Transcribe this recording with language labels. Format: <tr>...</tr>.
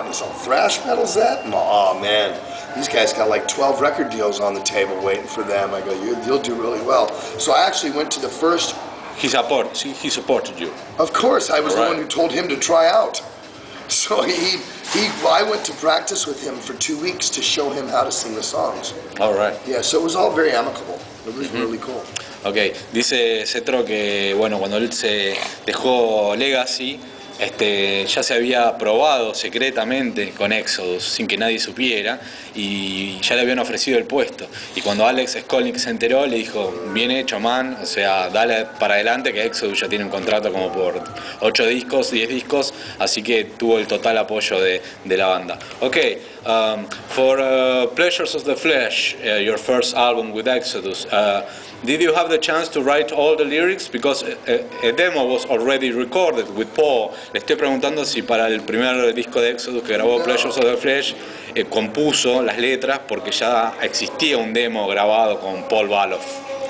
<en>And he's all, thrash metal's that? And oh man, these guys got like 12 record deals on the table waiting for them. I go, you'll do really well. So I actually went to the first He supported you. Of course, I was the one who told him to try out. So I went to practice with him for 2 weeks to show him how to sing the songs. All right. Yeah, so it was all very amicable. It was really cool.</en> <es>Okay, dice Cetro que bueno, cuando él se dejó Legacy, ya se había probado secretamente con Exodus, sin que nadie supiera, y ya le habían ofrecido el puesto. Y cuando Alex Skolnick se enteró, le dijo, bien hecho, man, o sea, dale para adelante, que Exodus ya tiene un contrato como por 8 discos, 10 discos, así que tuvo el total apoyo de la banda.</es> <en>Ok, for Pleasures of the Flesh, your first album with Exodus, did you have the chance to write all the lyrics? Because a demo was already recorded with Paul.</en> <es>Le estoy preguntando si para el primer disco de Exodus que grabó Pleasures of the Flesh compuso las letras, porque ya existía un demo grabado con Paul Baloff.</es>